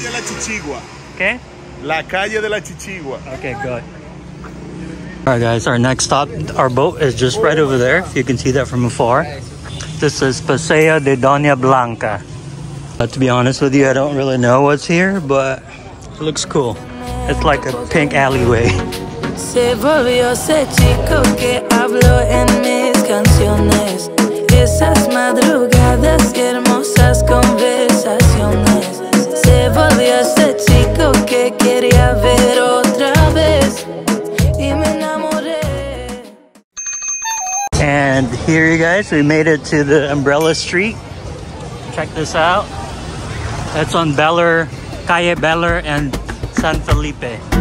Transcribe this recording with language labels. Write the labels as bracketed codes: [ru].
[es] La Calle de la Chichigua. [en] Okay? [es] La Calle de la Chichigua. [en] Okay, go ahead. All right, guys, our next stop, our boat is just right over there. If you can see that from afar. This is Paseo de Doña Blanca. But to be honest with you, I don't really know what's here, but it looks cool. It's like a pink alleyway. [es] Se volvió ese chico que habló en mis canciones. Esas madrugadas que hermosas conversaciones. Se volvió ese chico que quería ver otra vez. Y me enamoré. [en] And here you guys, we made it to the Umbrella Street. Check this out. It's on Beller, Calle Beller and San Felipe.